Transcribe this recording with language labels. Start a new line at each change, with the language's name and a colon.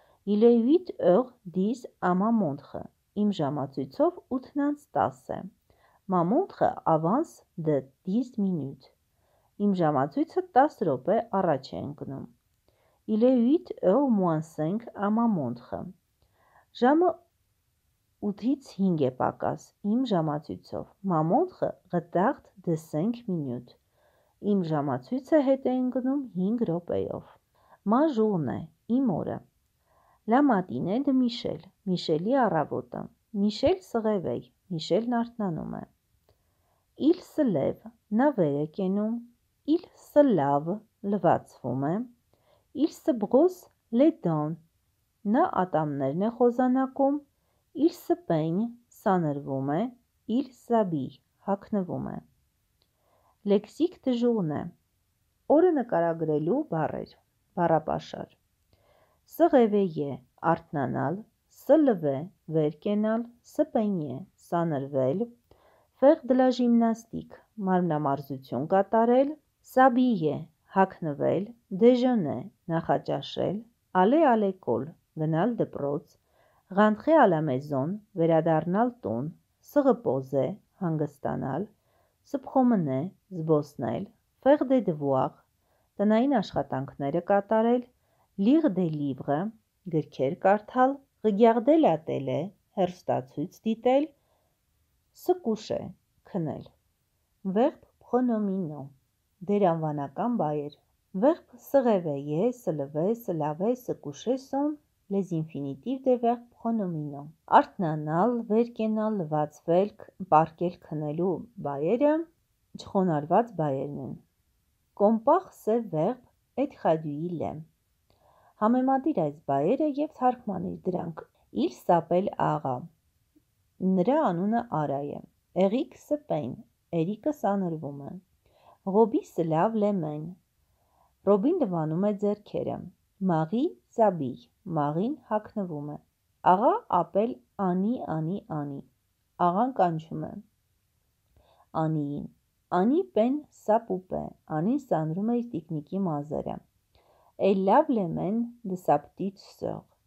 French: il est 8 heures 10 à ma montre,
Armenian: իմ ժամացույցով 8-նանց 10-ն է,
French: ma montre avance de 10 minutes.
Armenian: Իմ ժամացույցը 10 րոպե առաջ է ընկնում.
French: Il est 8h moins 5 à ma montre.
Armenian: Ժամը 8-ից 5 է պակաս իմ ժամացույցով։
French: Ma montre retarde de 5 minutes.
Armenian: Իմ ժամացույցը հետ է ընկնում 5 րոպեով։
French: Ma journée,
Armenian: իմ օրը։
French: La matinée de Michel.
Armenian: Michel-ի առավոտը։
French: Michel s'réveille.
Armenian: Michel-ն արթնանում է։
French: Il se lève.
Armenian: Նա վեր է կենում։
French: Il se lave.
Armenian: Լվացվում է։
French: Il se brosse les dents.
Armenian: Նա ատամներն է խոզանակում։
French: Il se peigne.
Armenian: Սանրվում է։
French: Il s'habille.
Armenian: Հագնվում է։
French: Lexique de journée.
Armenian: Օրը նկարագրելու բառեր։ Բառապաշար։
French: Se réveiller.
Armenian: Արթնանալ։
French: Se lever.
Armenian: Վեր կենալ։
French: Se peigner.
Armenian: Սանրվել։
French: Faire de la gymnastique.
Armenian: Մարմնամարզություն կատարել։
French: S'habiller.
Armenian: Հագնվել։
French: Déjeuner.
Armenian: Նախաճաշել։
French: Aller à l'école.
Armenian: Գնալ դպրոց։
French: Rentrer à la maison.
Armenian: Վերադառնալ տուն։
French: Se reposer.
Armenian: Հանգստանալ։
French: Se promener.
Armenian: Զբոսնել։
French: Faire des devoirs.
Armenian: Տնային աշխատանքները կատարել։
French: Lire des livres.
Armenian: Գրքեր կարդալ։
French: Regarder la télé.
Armenian: Հեռուստացույց դիտել։
French: Se coucher.
Armenian: Քնել։
French: Verb pronominal.
Armenian: Դեր անվանական բայեր։
French: Verb se réveiller, se lever, se laver, se coucher sont les infinitifs des verbes pronominaux.
Armenian: Արթնանալ, վեր կենալ, լվացվել, պարկել, քնելու բայերը չխոնարհված բայերն են։
French: Compare ce verbe et traduis-le.
Armenian: Համեմատիր այս բայերը եւ թարգմանիր դրանք։
French: Il s'appelle Ara.
Armenian: Նրա անունը Արա է։
French: Eric se peigne.
Armenian: Eric-ը սանրվում է։
French: Robi se lave les mains.
Armenian: Robin նվանում է ձեռքերը։
French: Marie s'habille.
Armenian: Marie-ն հագնվում է։
French: Աղա ապել Անի, Անի, Անի։
Armenian: Աղան կանչում է Անիին։
French: Անի պեն սա պուպե։
Armenian: Անին սանրում է իր տիկնիկի մազերը։
French: Elle lave les mains de sa petite sœur.